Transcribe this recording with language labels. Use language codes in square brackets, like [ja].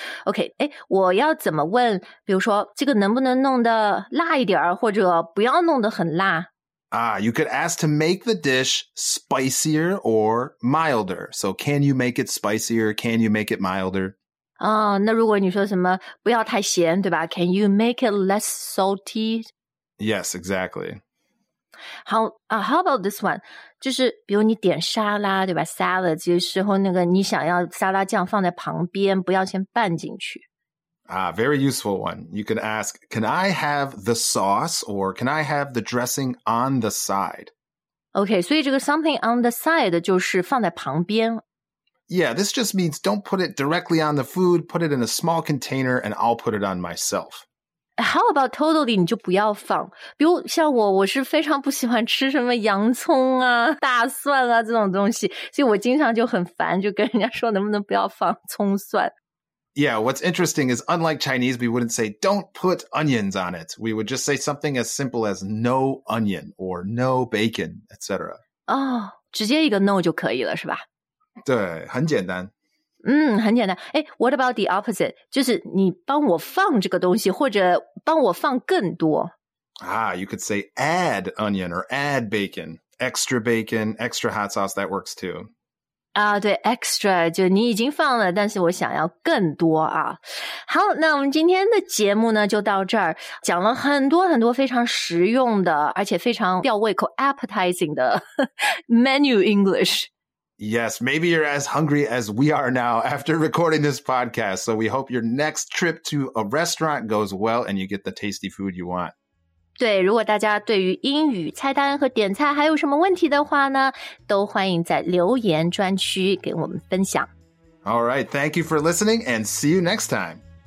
[zh] Okay, 诶我要怎么问比如说这个能不能弄得辣一点或者不要弄得很辣 [en] You could ask to make the dish spicier or milder. So can you make it spicier? Can you make it milder? [zh] 哦、oh, 那如果你说什么不要太咸对吧 [en] Can you make it less salty? Yes, exactly. 好、how about this one? [zh] 就是比如你点沙拉对吧 Salad, 这时候那个你想要沙拉酱放在旁边不要先拌进去。 [en] Very useful one. You can ask, can I have the sauce or can I have the dressing on the side? [zh] Okay, 所以这个 something on the side 就是放在旁边。 [en] Yeah, this just means don't put it directly on the food, put it in a small container and I'll put it on myself. How about totally [zh] 你就不要放比如像我我是非常不喜欢吃什么洋葱啊大蒜啊这种东西所以我经常就很烦就跟人家说能不能不要放葱蒜。 [en] Yeah, what's interesting is unlike Chinese, we wouldn't say don't put onions on it. We would just say something as simple as no onion or no bacon, etc. [zh] Oh, 直接一个 no 就可以了是吧？对，很简单。嗯，很简单。诶 [en] what about the opposite? [zh] 就是你帮我放这个东西或者帮我放更多。 [en] You could say add onion or add bacon, extra hot sauce, that works too. [zh] 对 ,extra, 就你已经放了但是我想要更多啊。好那我们今天的节目呢就到这儿讲了很多很多非常实用的而且非常吊胃口 appetizing 的 [en] menu English. Yes, maybe you're as hungry as we are now after recording this podcast, so we hope your next trip to a restaurant goes well and you get the tasty food you want. [zh] 对如果大家对于英语菜单和点菜还有什么问题的话呢都欢迎在留言专区给我们分享。 [en] All right, thank you for listening and see you next time.